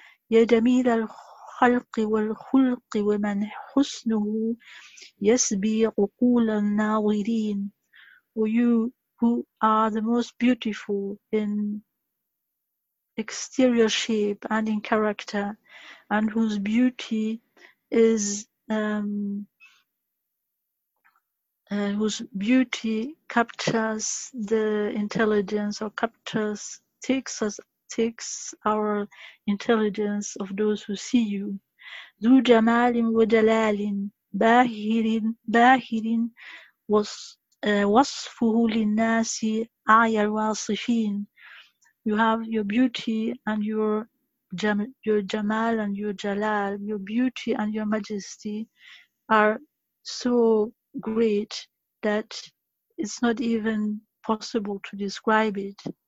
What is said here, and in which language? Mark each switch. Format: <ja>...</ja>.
<ar>يا جميل الخلق والخلق ومن حسنه يسبي عقول الناظرين.</ar> <en>O you who are the most beautiful in exterior shape and in character, and whose beauty is whose beauty captures the intelligence or captures, takes our intelligence of those who see you.</en> <ar>ذو جمال وجلال باهر وصفه للناس أعيا الواصفين.</ar> <en>You have your beauty and your jamal and your jalal, your beauty and your majesty are so great that it's not even possible to describe it.</en>